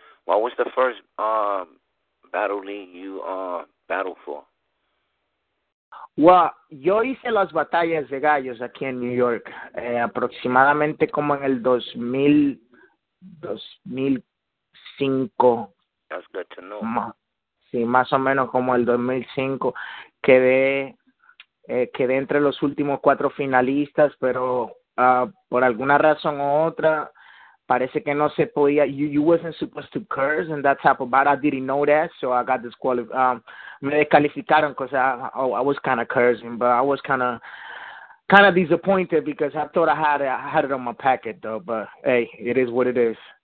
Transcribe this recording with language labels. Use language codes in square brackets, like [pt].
[en] What was the first battle league you battled for? [es] Well, yo hice las batallas de gallos aquí en New York, aproximadamente como en el 2005. [en] That's good to know. [es] Sí, más o menos como el 2005. Quedé entre los últimos 4 finalistas, pero por alguna razón u otra, parece que no se podía. [en] You wasn't supposed to curse and that type of battle. I didn't know that, so I got disqualified. [es] Me descalificaron [en] because I was kind of cursing, but I was kind of disappointed because I thought I had it on my packet, though. But, hey, it is what it is.